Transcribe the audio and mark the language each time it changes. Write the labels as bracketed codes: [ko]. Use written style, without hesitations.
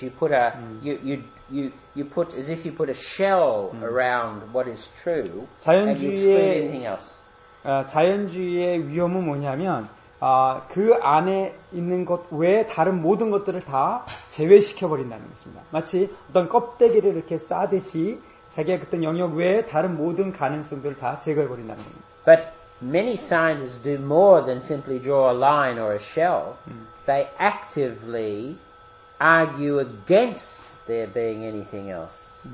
[en] You put a you put as if you put a shell around what is true. [ko] 자연주의의, [en] and you exclude anything else. [ko] 자연주의의 위험은 뭐냐면 그 안에 있는 것 외에 다른 모든 것들을 다 제외시켜 버린다는 것입니다. 마치 어떤 껍데기를 이렇게 싸듯이 자기의 어떤 영역 외에 다른 모든 가능성들을 다 제거해 버린다는 겁니다. [en] But many scientists do more than simply draw a line or a shell. They actively argue against there being anything else.